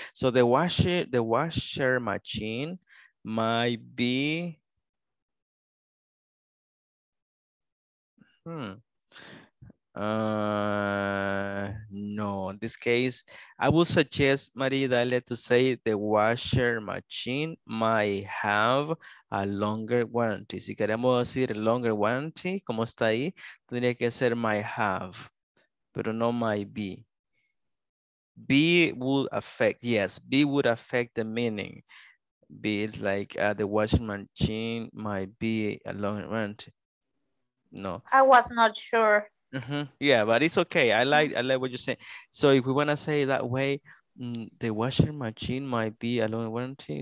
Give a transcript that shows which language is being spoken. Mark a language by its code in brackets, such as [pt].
[en] So the washer machine might be, no, in this case, I would suggest, Maria Dalia, to say the washer machine might have a longer warranty. [es] Si queremos decir longer warranty, como está ahí, tendría que ser might have, pero no might be. [en] B would affect, yes, B would affect the meaning. B is like the washing machine might be a longer warranty. No, I was not sure. Yeah, but it's okay. I like what you're saying. So if we want to say it that way, the washing machine might be a longer warranty.